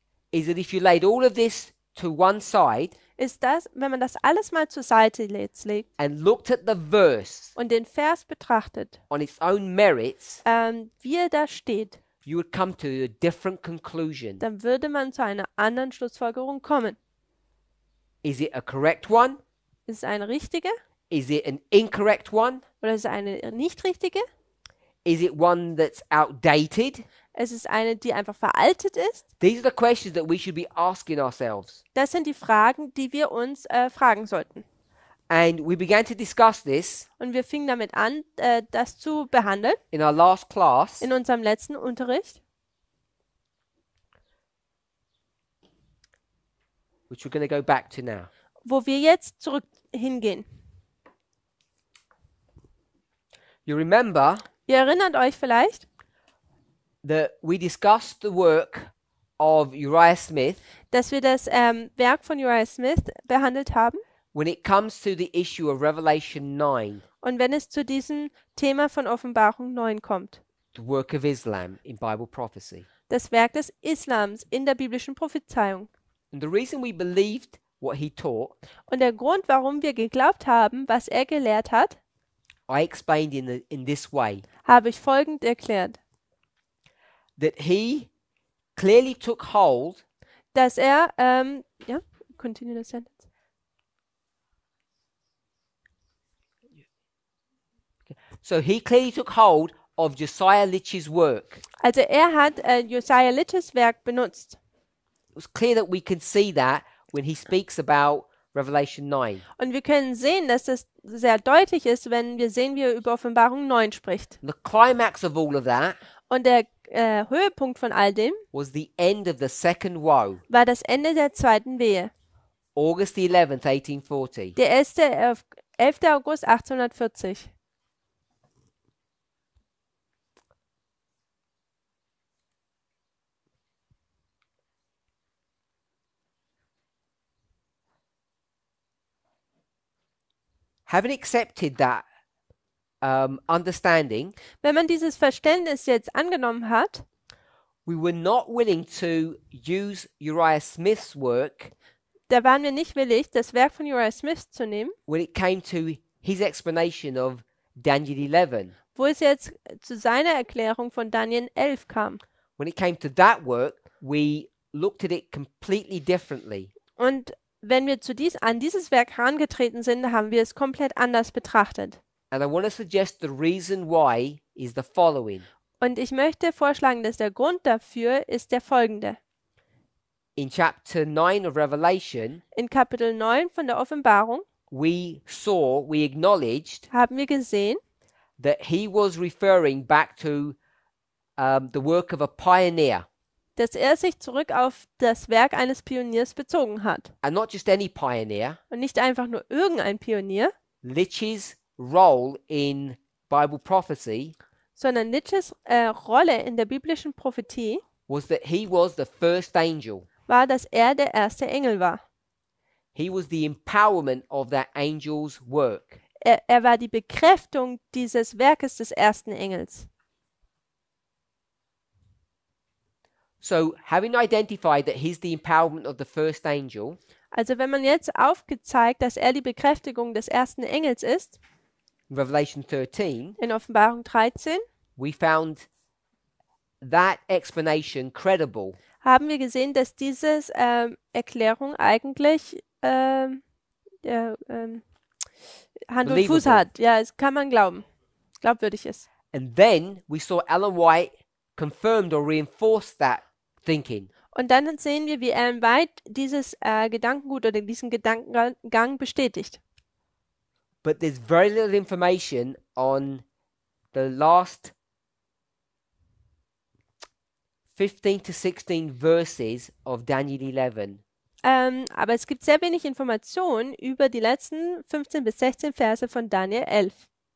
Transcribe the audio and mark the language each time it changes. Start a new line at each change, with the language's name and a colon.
English: is that if you laid all of this to one side,
German: ist das, wenn man das alles mal zur Seite legt
English: and looked at the verse
German: und den Vers betrachtet,
English: on its own merits,
German: wie er da steht,
English: you would come to a different conclusion.
German: Dann würde man zu einer anderen Schlussfolgerung kommen.
English: Is it a correct one?
German: Ist es eine richtige?
English: Is it an incorrect one?
German: Oder ist es eine nicht richtige?
English: Is it one that's outdated?
German: Es ist eine, die einfach veraltet ist.
English: These are the questions that we should be asking ourselves.
German: Das sind die Fragen, die wir uns fragen sollten.
English: And we began to discuss this.
German: Und wir fingen damit an, das zu behandeln.
English: In our last class.
German: In unserem letzten Unterricht.
English: Which we're going to go back to now.
German: Wo wir jetzt zurück hingehen.
English: You remember?
German: Ihr erinnert euch vielleicht?
English: That we discussed the work of Uriah Smith.
German: Dass wir das Werk von Uriah Smith behandelt haben.
English: When it comes to the issue of Revelation 9.
German: Und wenn es zu diesem Thema von Offenbarung 9 kommt.
English: The work of Islam in Bible prophecy.
German: Das Werk des Islams in der biblischen Prophezeiung.
English: And the reason we believed what he taught.
German: Und der Grund, warum wir geglaubt haben, was er gelehrt hat.
English: I explained in this way.
German: Habe ich folgend erklärt.
English: That he clearly took hold.
German: Dass er,
English: continue the sentence. So he clearly took hold of Josiah Litch's work.
German: Also er hat Josiah Litch's Werk benutzt.
English: It was clear that we can see that when he speaks about Revelation 9.
German: Und wir können sehen, dass das sehr deutlich ist, wenn wir sehen, wie er über Offenbarung 9 spricht.
English: The climax of all of that.
German: Und der Höhepunkt von all dem
English: was the end of the second woe.
German: War das Ende der zweiten Wehe.
English: August 11th, 1840.
German: Der 11. August 1840.
English: Having accepted that understanding,
German: wenn man dieses Verständnis jetzt angenommen hat,
English: we were not willing to use Uriah Smith's work,
German: da waren wir nicht willig, das Werk von Uriah Smith zu nehmen,
English: when it came to his explanation of Daniel 11,
German: wo es jetzt zu seiner Erklärung von Daniel 11 kam.
English: When it came to that work, we looked at it completely differently.
German: Und wenn wir an dieses Werk herangetreten sind, haben wir es komplett anders betrachtet.
English: And I want to suggest the reason why is the following.
German: Und ich möchte vorschlagen, dass der Grund dafür ist der folgende.
English: In chapter 9 of Revelation,
German: in Kapitel 9 von der Offenbarung,
English: we acknowledged,
German: haben wir gesehen,
English: that he was referring back to the work of a pioneer.
German: dass er sich zurück auf das Werk eines Pioniers bezogen hat.
English: And not just any pioneer.
German: Und nicht einfach nur irgendein Pionier.
English: Litch's role in Bible prophecy.
German: Sondern Litch's Rolle in der biblischen Prophetie.
English: Was that he was the first angel.
German: War, dass er der erste Engel war.
English: He was the empowerment of that angel's work.
German: Er war die Bekräftigung dieses Werkes des ersten Engels.
English: So, having identified that he's the empowerment of the first angel.
German: Also, wenn man jetzt aufgezeigt, dass er die Bekräftigung des ersten Engels ist.
English: Revelation 13.
German: In Offenbarung 13.
English: We found that explanation credible.
German: Haben wir gesehen, dass diese Erklärung eigentlich Hand und Fuß hat. Ja, es kann man glauben. Glaubwürdig ist.
English: And then we saw Ellen White confirmed or reinforced that thinking.
German: Und dann sehen wir, wie Ellen White dieses Gedankengut oder diesen Gedankengang bestätigt.
English: But there's very little information on the last 15 to 16 verses of Daniel 11.
German: Aber es gibt sehr wenig Informationen über die letzten 15 bis 16 Verse von Daniel 11.